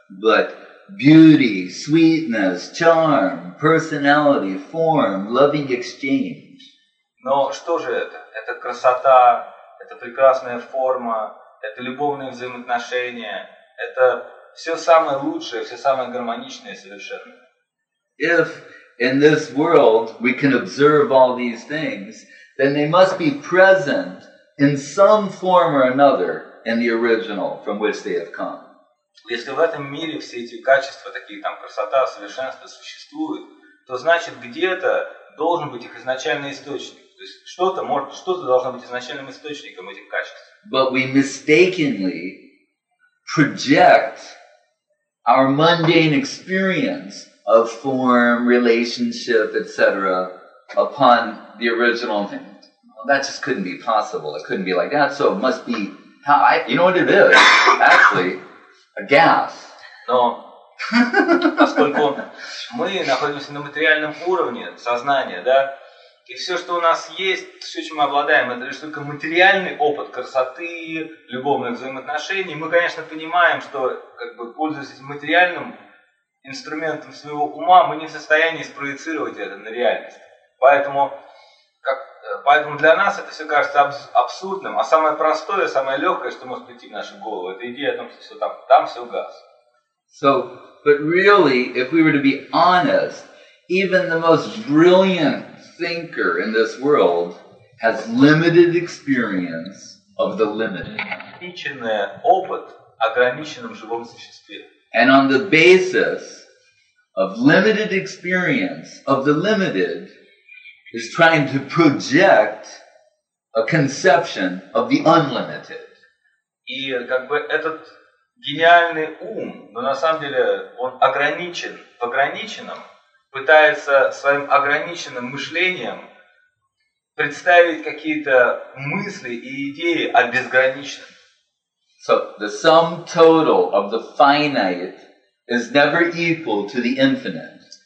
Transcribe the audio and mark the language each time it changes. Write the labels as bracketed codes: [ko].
[en] But beauty, sweetness, charm, personality, form, loving exchange. [ru] Но что же это? Это красота, это прекрасная форма, это любовные взаимоотношения, это все самое лучшее, все самое гармоничное совершенно. [en] If in this world we can observe all these things, then they must be present in some form or another in the original from which they have come. [ru] Если в этом мире все эти качества, такие там красота, совершенство существуют, то значит где-то должен быть их изначальный источник. То есть что-то должно быть изначальным источником этих качеств. [en] But we mistakenly project our mundane experience of form, relationship, etc. upon the original thing. Well, that just couldn't be possible. It couldn't be like that. So it must be how I, you know what it is, actually. A gas. [ru] Но поскольку мы находимся на материальном уровне сознания, да, и все, что у нас есть, все, чем мы обладаем, это лишь только материальный опыт красоты, любовных взаимоотношений, мы, конечно, понимаем, что, как бы, пользуясь этим материальным инструментом своего ума, мы не в состоянии спроецировать это на реальность. Поэтому для нас это все кажется абсурдным, а самое простое, самое легкое, что может прийти в нашу голову, это идея о том, что все там все газ. [en] So, but really, if we were to be honest, even the most brilliant thinker in this world has limited experience of the limited. [ru] Ограниченный опыт ограниченном живом существе. [en] And on the basis of limited experience of the limited, is trying to project a conception of the unlimited. [ru] И как бы этот гениальный ум, но на самом деле он ограничен в ограниченном, пытается своим ограниченным мышлением представить какие-то мысли и идеи о безграничном. [en] So the sum total of the finite is never equal to the infinite.